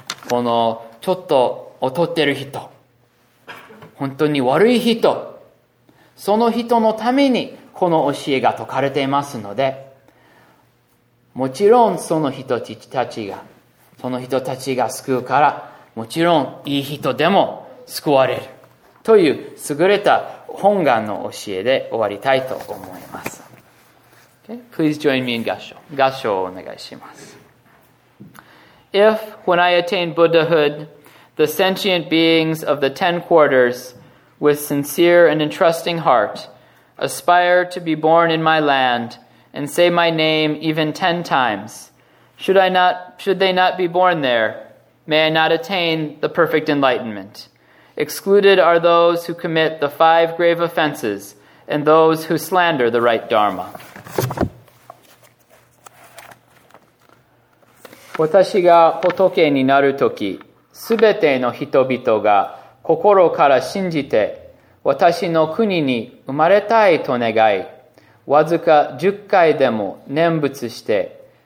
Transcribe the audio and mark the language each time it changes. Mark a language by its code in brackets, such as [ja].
[ja] この、ちょっと劣ってる人、本当に悪い人、その人のために、この教えが説かれていますので、もちろんその人たちが、その人たちが救うから、もちろんいい人でも救われる。という優れた本願の教えで終わりたいと思います。 [en] Okay? Please join me in 合唱。 [ja] 合唱をお願いします。 [en] If, when I attain Buddhahood, the sentient beings of the ten quarters, with sincere and entrusting heart, aspire to be born in my land,and say my name even 10 times. Should they not be born there? May I not attain the perfect enlightenment? Excluded are those who commit the 5 grave offenses and those who slander the right dharma. [ja] 私が仏になるとき、すべての人々が心から信じて、私の国に生まれたいと願い、わずか10回でも念仏して、